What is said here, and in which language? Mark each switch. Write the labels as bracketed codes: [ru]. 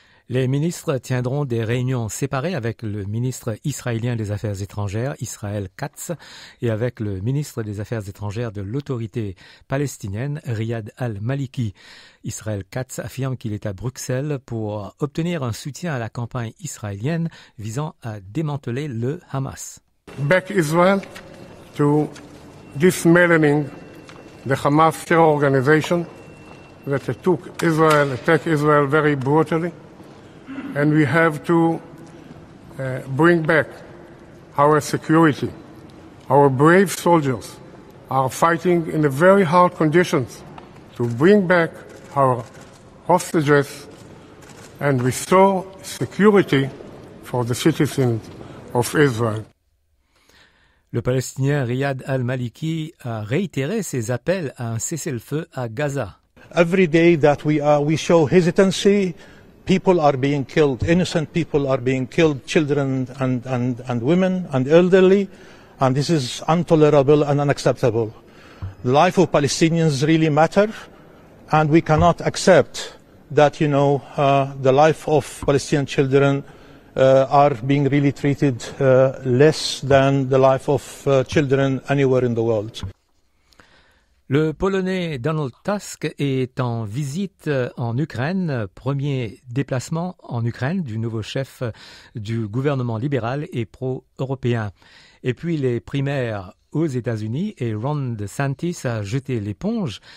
[fr] Les ministres tiendront des réunions séparées avec le ministre israélien des Affaires étrangères, Israël Katz, et avec le ministre des Affaires étrangères de l'autorité palestinienne, Riyad al-Maliki. Israël Katz affirme qu'il est à Bruxelles pour obtenir un soutien à la campagne israélienne visant à démanteler le Hamas. [en] Back Israel to dismantling the Hamas terror organization that attacked Israel very brutally. And we have to bring back our security. Our brave soldiers are fighting in the very hard conditions to bring back our hostages and restore security for the citizens of Israel. [fr] Le Palestinien Riyad al-Maliki a réitéré ses appels à un cessez-le-feu à Gaza. [en] Every day that we show hesitancy. People are being killed, innocent people are being killed, children and women and elderly, and this is intolerable and unacceptable. The life of Palestinians really matter, and we cannot accept that, you know, the life of Palestinian children are being really treated less than the life of children anywhere in the world. [fr] Le Polonais Donald Tusk est en visite en Ukraine, premier déplacement en Ukraine du nouveau chef du gouvernement libéral et pro-européen. Et puis les primaires aux États-Unis et Ron DeSantis a jeté l'éponge.